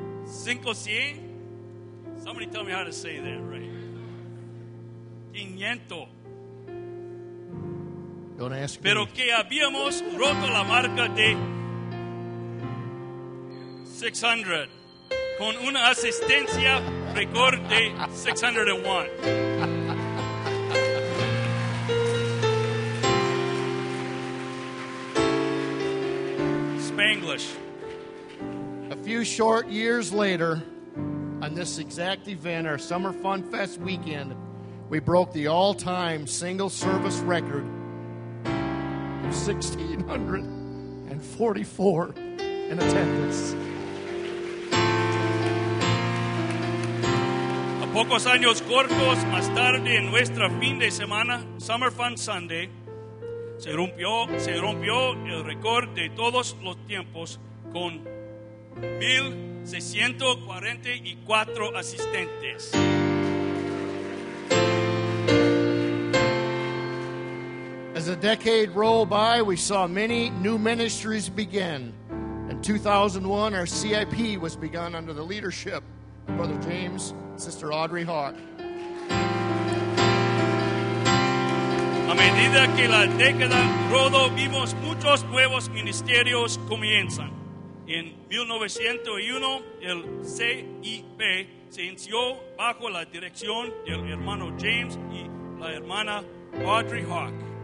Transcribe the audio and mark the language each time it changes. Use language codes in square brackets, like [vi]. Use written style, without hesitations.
[en] Somebody tell me how to say that, right? 500. Don't ask me. [es] Pero que habíamos roto la marca de 600 con una asistencia récord de 601. Bush. [en] A few short years later, on this exact event, our Summer Fun Fest weekend, we broke the all-time single service record of 1,644 in attendance. [es] A pocos años cortos más tarde en nuestra fin de semana, Summer Fun Sunday, se rompió el récord de todos los tiempos con 1,644 asistentes. [en] As a decade rolled by, we saw many new ministries begin. In 2001, our CIP was begun under the leadership of Brother James and Sister Audrey Hart. [es] A medida que la década rodó, vimos muchos nuevos ministerios comienzan. En 1901, el CIP se inició bajo la dirección del hermano James y la hermana Audrey Hawk.